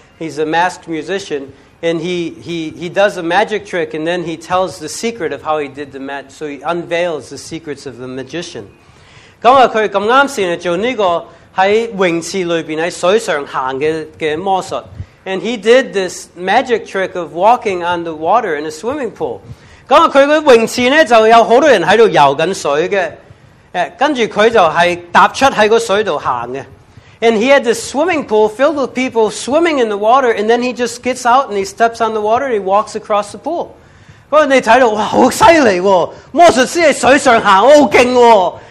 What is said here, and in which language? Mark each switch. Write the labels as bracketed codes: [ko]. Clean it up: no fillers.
[en] He's a masked musician. And he does a magic trick, and then he tells the secret of how he did the magic. So he unveils the secrets of the magician. [yue] 咁啊，佢咁啱先做呢个喺泳池里边喺水上行嘅魔术。 [en] And he did this magic trick of walking on the water in a swimming pool. [yue] 咁啊，佢个泳池咧就有好多人喺度游紧水嘅。诶，跟住佢就系踏出喺个水度行嘅。 [en] And he had this swimming pool filled with people swimming in the water, and then he just gets out and he steps on the water and he walks across the pool. [yue] 嗰人哋睇到，哇，好犀利喎！魔術師喺水上行，好勁喎！